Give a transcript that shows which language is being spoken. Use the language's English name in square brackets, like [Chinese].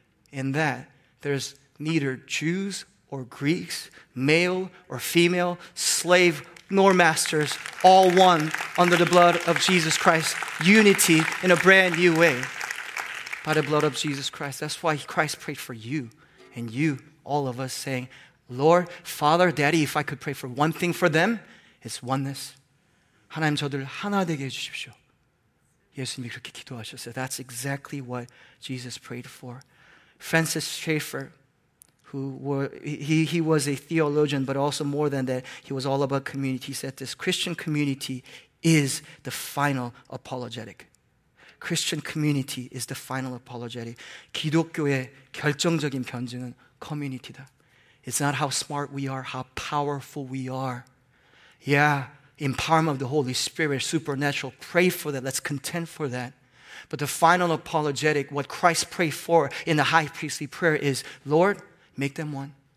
[English] In that, there's neither Jews or Greeks, male or female, slave nor masters, all one under the blood of Jesus Christ. Unity in a brand new way by the blood of Jesus Christ. That's why Christ prayed for you and you, all of us, saying, Lord, Father, Daddy, if I could pray for one thing for them, it's oneness. [Korean] 하나님 저들 하나 되게 해주십시오. 예수님이 그렇게 기도하셨어요. [English] That's exactly what Jesus prayed for. Francis Schaeffer, he was a theologian, but also more than that, he was all about community. He said this, Christian community is the final apologetic. Christian community is the final apologetic. [Korean] 기독교의 결정적인 변증은 community다. [English] It's not how smart we are, how powerful we are. Yeah, empowerment of the Holy Spirit, supernatural, pray for that. Let's contend for that. But the final apologetic, what Christ prayed for in the high priestly prayer is, Lord, make them one. Amen.